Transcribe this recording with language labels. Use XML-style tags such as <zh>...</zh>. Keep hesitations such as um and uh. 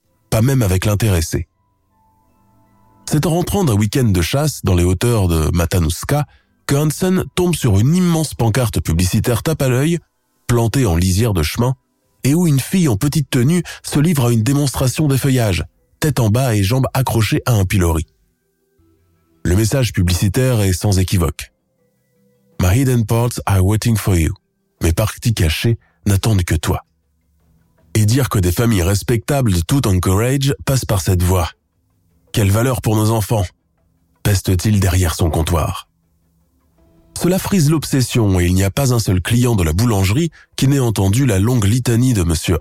<fr>pas même avec l'intéressé. C'est en rentrant d'un week-end de chasse dans les hauteurs de Matanuska que Hansen tombe sur une immense pancarte publicitaire tape à l'œil, plantée en lisière de chemin, et où une fille en petite tenue se livre à une démonstration d'effeuillage, tête en bas et jambes accrochées à un pilori. Le message publicitaire est sans équivoque.</fr> <en>My hidden parts are waiting for you.</en> <fr>Mes parties cachées n'attendent que toi. Et dire que des familles respectables de tout Anchorage passent par cette voie. Quelle valeur pour nos enfants peste-t-il derrière son comptoir. Cela frise l'obsession et il n'y a pas un seul client de la boulangerie qui n'ait entendu la longue litanie de M.</fr>